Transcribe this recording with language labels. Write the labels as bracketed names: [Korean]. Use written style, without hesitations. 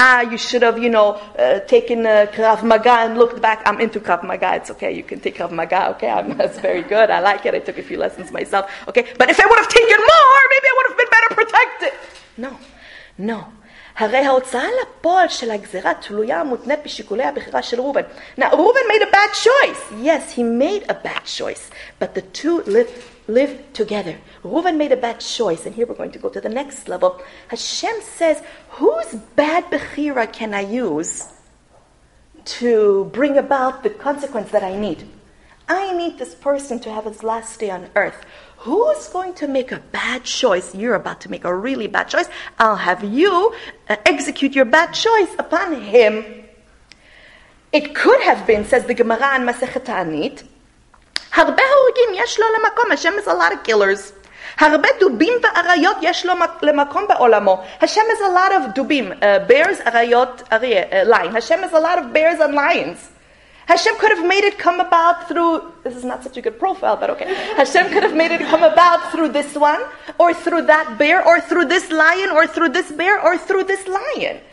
[English] You should have, you know, taken Krav Maga and looked back. I'm into Krav Maga. It's okay. You can take Krav Maga. Okay. That's very good. I like it. I took a few lessons myself. Okay. But if I would have taken more, maybe I would have been better protected. No, no. [Hebrew] הרי ההוצאה לפועל של הגזרה תלויה מותנית בשיקולי הבחירה של רובן. [English] Now, Reuben made a bad choice. Yes, he made a bad choice. But the two lived together. Reuben made a bad choice. And here we're going to go to the next level. Hashem says, whose bad bechira can I use to bring about the consequence that I need? I need this person to have his last day on earth. Who's going to make a bad choice? You're about to make a really bad choice. I'll have you execute your bad choice upon him. It could have been, says the Gemara in Masechet Ta'anit, [Hebrew] הרבה הורגים יש לו למקום. [English] Hashem is a lot of killers. [Hebrew] הרבה דובים ואריות יש לו למקום בעולמו. [English] Hashem is a lot of דובים. Bears, אריות, lions. Hashem is a lot of bears and lions. Hashem could have made it come about through, this is not such a good profile, but okay. Hashem could have made it come about through this one, or through that bear, or through this lion, or through this bear, or through this lion.